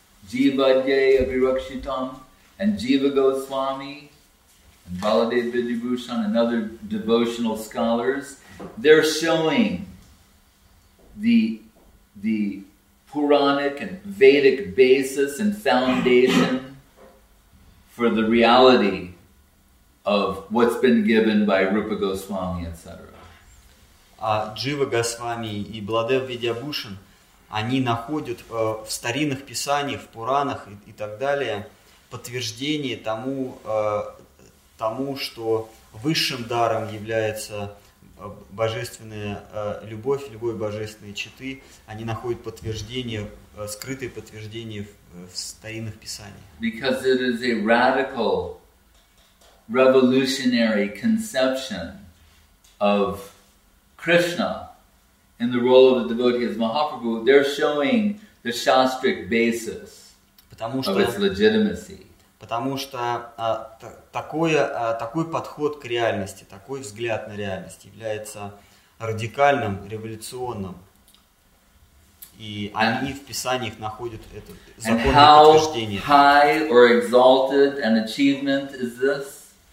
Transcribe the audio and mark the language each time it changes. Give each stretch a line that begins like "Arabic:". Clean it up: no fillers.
Sanskrit: Jivadyay Abhirakshitam
English: and Jiva Goswami and Baladev Vidyabhushan and other devotional scholars, they're showing the Puranic and Vedic basis and foundation for the reality of what's been given by Rupa Goswami, etc.
Russian: Джива Госвами и Баладев Видьябхушан, они находят в старинных писаниях, в Пуранах и так далее подтверждение тому, тому, что высшим даром является божественная любовь, любовь божественной читы, они находят подтверждение, скрытое подтверждение в старинных писаниях.
English: Because it is a radical, revolutionary conception of Krishna in the role of the devotee as Mahaprabhu, they're showing the shastric basis of its legitimacy.
Russian: Потому что такой подход к реальности, такой взгляд на реальность является радикальным, революционным. И они в писаниях находят это законное подтверждение.
English: And how high or exalted an achievement is this?